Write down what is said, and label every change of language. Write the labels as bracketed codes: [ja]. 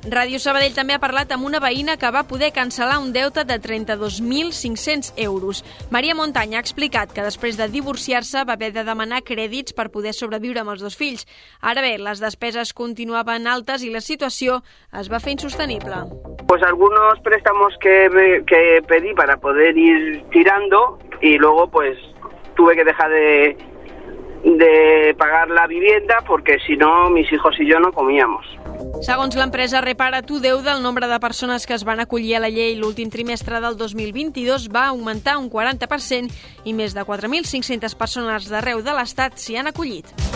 [ca] Ràdio Sabadell també ha parlat amb una veïna que va poder cancel·lar un deute de 32.500 euros. Maria Montanya ha explicat que després de divorciar-se va haver de demanar crèdits per poder sobreviure amb els dos fills. Ara bé, les despeses continuaven altes i la situació es va fer insostenible. [es] Pues algunos préstamos que pedí para poder ir tirando y luego pues tuve que dejar de de pagar la vivienda porque si no mis hijos y yo no comíamos. [ca] Segons l'empresa Repara tu Deuda, el nombre de persones que es van acollir a la llei l'últim trimestre del 2022 va augmentar un 40% i més de 4.500 persones d'arreu de l'Estat s'hi han acollit.